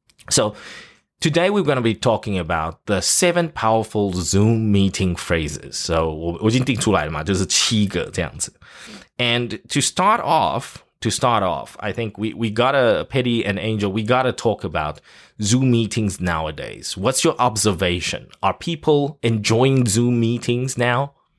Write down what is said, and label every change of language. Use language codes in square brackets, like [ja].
[en] So, today we're going to be talking about the 7 powerful Zoom meeting phrases. [zh] So, 我已经定出来了嘛， 就是7个这样子。 [en] And to start off, I think we got to, Petty and Angel, we got to talk about Zoom meetings nowadays. What's your observation? Are people enjoying Zoom meetings now?